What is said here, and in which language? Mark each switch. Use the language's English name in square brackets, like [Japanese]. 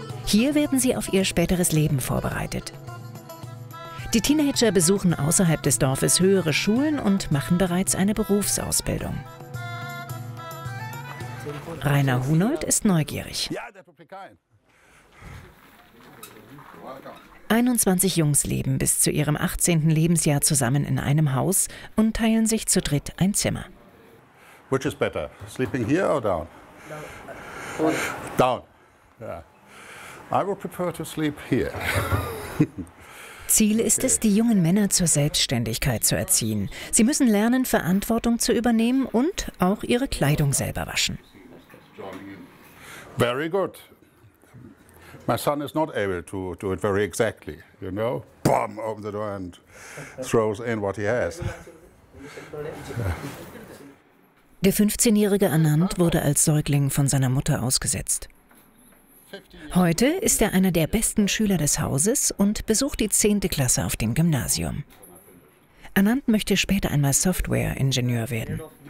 [German] Hier werden sie auf ihr späteres Leben vorbereitet. Die Teenager besuchen außerhalb des Dorfes höhere Schulen und machen bereits eine Berufsausbildung. Rainer Hunold ist neugierig. 21 Jungs leben bis zu ihrem 18. Lebensjahr zusammen in einem Haus und teilen sich zu dritt ein Zimmer. [English] Which is better, sleeping here or down? Down. Yeah. I would prefer to sleep here. [German] Ziel ist es, die jungen Männer zur Selbstständigkeit zu erziehen. Sie müssen lernen, Verantwortung zu übernehmen und auch ihre Kleidung selber waschen. [English] Very good. My son is not able to do it very exactly, you know. Bam, open the door and throws in what he has. [German] Der 15-jährige Anand wurde als Säugling von seiner Mutter ausgesetzt. Heute ist er einer der besten Schüler des Hauses und besucht die 10. Klasse auf dem Gymnasium. Anand möchte später einmal Software-Ingenieur werden.